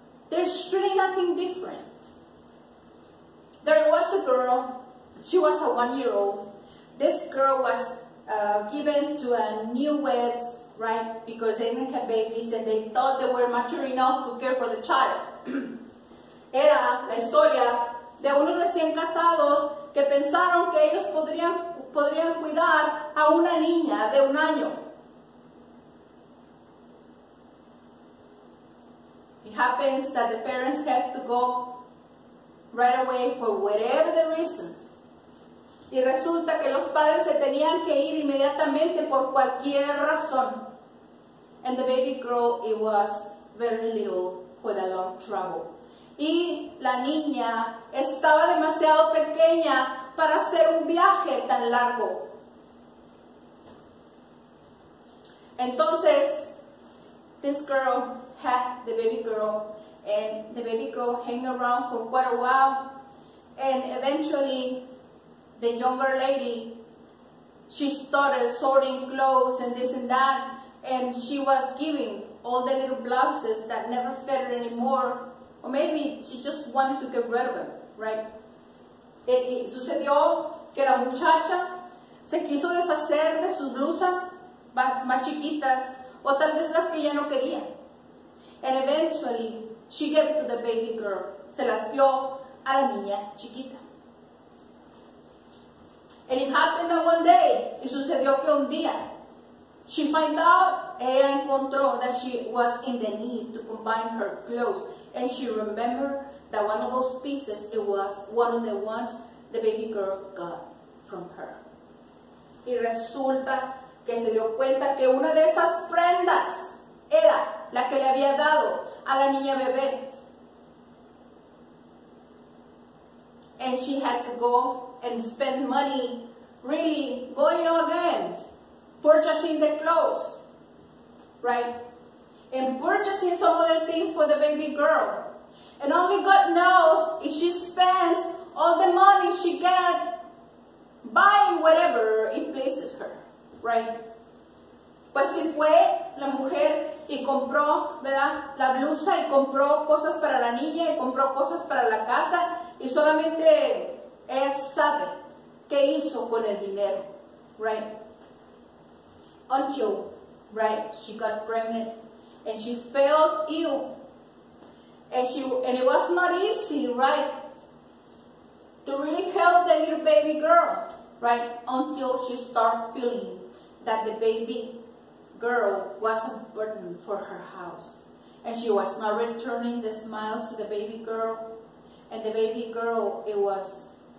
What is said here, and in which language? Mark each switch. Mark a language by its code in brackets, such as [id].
[en] There's really nothing different. There was a girl, she was a one-year-old. This girl was given to a newlywed, right? Because they didn't have babies and they thought they were mature enough to care for the child. [es] Era la historia de unos recién casados que pensaron que ellos podrían cuidar a una niña de un año. [en] It happens that the parents have to go right away for whatever the reasons. [es] Y resulta que los padres se tenían que ir inmediatamente por cualquier razón. [en] And the baby girl, it was very little with a lot of trouble. [es] Y la niña estaba demasiado pequeña para hacer un viaje tan largo. Entonces, [en] this girl had the baby girl. And the baby girl hang around for quite a while. And eventually, the younger lady, she started sorting clothes and this and that. And she was giving all the little blouses that never fit her anymore. Or maybe she just wanted to get rid of them, right? [es] Y sucedió que la muchacha se quiso deshacer de sus blusas más chiquitas, o tal vez las que ya no quería. [en] And eventually, she gave it to the baby girl. [es] Se las dio a la niña chiquita. [en] And it happened that one day, [es] y sucedió que un día, [en] she found out, [es] ella encontró [en] that she was in the need to combine her clothes. And she remembered that one of those pieces, it was one of the ones the baby girl got from her. [es] Y resulta que se dio cuenta que una de esas prendas era la que le había dado a la niña bebé. [en] And she had to go and spend money, really going again, purchasing the clothes, right? And purchasing some of the things for the baby girl. And only God knows if she spent all the money she got buying whatever it pleases her, right? [es] Pues si fue la mujer y compró, ¿verdad?, la blusa y compró cosas para la niña y compró cosas para la casa y solamente ella sabe qué hizo con el dinero, right? [en] Until, right, she got pregnant and she felt ill and it was not easy, right, to really help the little baby girl, right, until she started feeling that the baby girl was a burden for her house, and she was not returning the smiles to the baby girl, and the baby girl, it was